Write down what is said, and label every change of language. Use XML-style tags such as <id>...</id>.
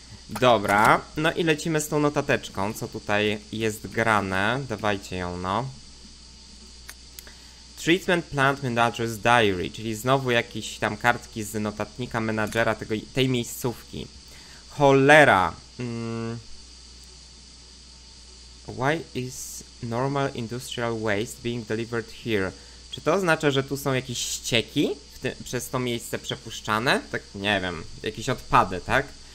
<pl>Dobra, no i lecimy z tą notateczką, co tutaj jest grane. Dawajcie ją, no. Treatment Plant Manager's Diary, czyli znowu jakieś tam kartki z notatnika menadżera tej miejscówki. Cholera.</pl> <en>Why is normal industrial waste being delivered here?</en> <pl>Czy to oznacza, że tu są jakieś ścieki przez to miejsce przepuszczane? Tak, nie wiem, jakieś odpady, tak?</pl>